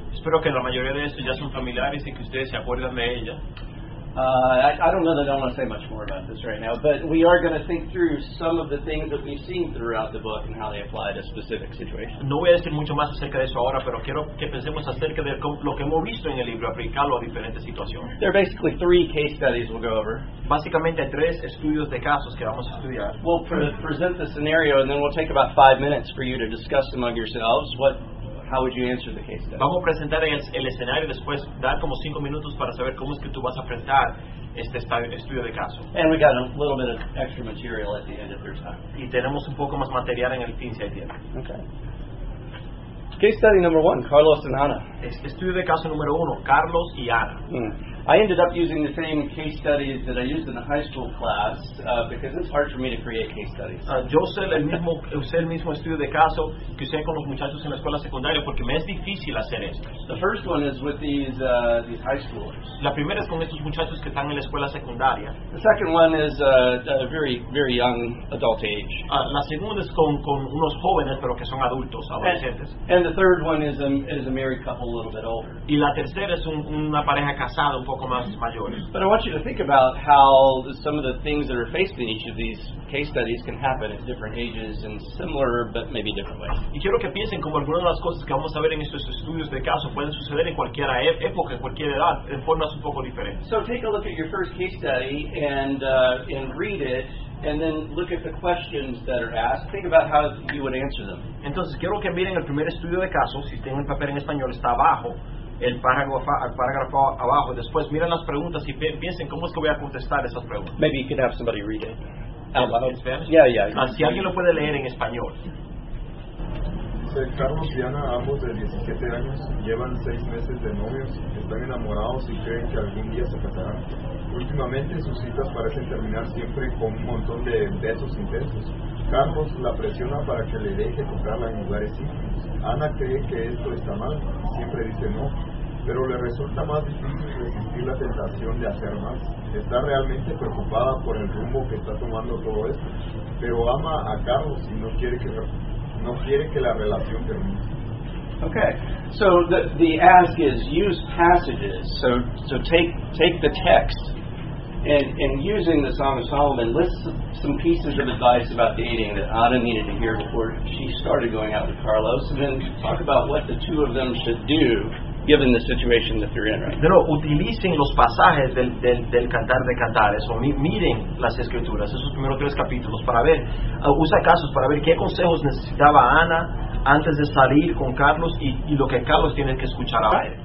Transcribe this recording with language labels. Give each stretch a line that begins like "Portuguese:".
Spanish: Espero que la mayoría de estos ya son familiares y que ustedes se acuerdan de ella.
English: I don't know that I want to say much more about this right now, but we are going to think through some of the things that we've seen throughout the book and how they apply to specific situations.
Spanish: No voy a decir mucho más acerca de eso ahora, pero quiero que pensemos acerca de lo que hemos visto en el libro, aplicarlo a diferentes situaciones.
English: There are basically three case studies we'll go over.
Spanish: Básicamente hay tres estudios de casos que vamos a estudiar.
English: We'll present the scenario and then we'll take about 5 minutes for you to discuss among yourselves what... How would you answer the case study?
Spanish: Vamos a presentar el escenario y después dar como 5 minutos para saber cómo es que tú vas a enfrentar este estudio de caso.
English: And we got a little bit of extra material at the end of your time.
Spanish: Y tenemos un poco más material en el fin si hay tiempo.
English: Okay. Case study number one, Carlos and Ana.
Spanish: Estudio de caso número uno, Carlos y Ana.
English: I ended up using the same case studies that I used in the high school class because it's hard for me to create case studies.
Spanish: Yo usé el mismo estudio de caso que usé con los muchachos en la escuela secundaria porque me es difícil hacer esto.
English: The first one is with these high schoolers.
Spanish: La primera es con estos muchachos que están en la escuela secundaria.
English: The second one is a very, very young adult age.
Spanish: La segunda es con unos jóvenes pero que son adultos, adolescentes.
English: And the third one is a married couple a little bit older.
Spanish: Y la tercera es una pareja casada.
English: But I want you to think about how some of the things that are faced in each of these case studies can happen at different ages in similar but maybe different ways.
Spanish: Y quiero que piensen cómo algunas de las cosas que vamos a ver en estos estudios de caso pueden suceder en cualquier época, en cualquier edad, en formas un poco diferentes.
English: So take a look at your first case study and read it. And then look at the questions that are asked. Think about how you would answer them.
Spanish: Entonces quiero que miren el primer estudio de caso. Si tienen el papel en español está abajo, el párrafo abajo. Después miren las preguntas y piensen cómo es que voy a contestar esas preguntas.
English: Maybe you could have somebody read it. Yeah.
Spanish: Así alguien lo puede leer en español. Carlos y Ana, ambos de 17 años, llevan 6 meses de novios, están enamorados y creen que algún día se casarán. Últimamente sus citas parecen terminar siempre con un montón de besos intensos. Carlos la presiona para que le deje tocarla en lugares íntimos. Ana cree que esto está mal, siempre dice no, pero le resulta más difícil resistir la tentación de hacer más. Está realmente preocupada por el rumbo que está tomando todo esto, pero ama a Carlos y no quiere que la relación termine.
English: Okay, so the ask is use passages. So take the text and using the Song of Solomon, list some pieces of advice about dating that Ana needed to hear before she started going out with Carlos, and then talk about what the two of them should do given the situation that they're in. Right.
Spanish: Pero utilicen los pasajes del Cantar de Cantares o miren las escrituras esos primeros tres capítulos para ver usa casos para ver qué consejos necesitaba Ana antes de salir con Carlos y lo que Carlos tiene que escuchar ahora.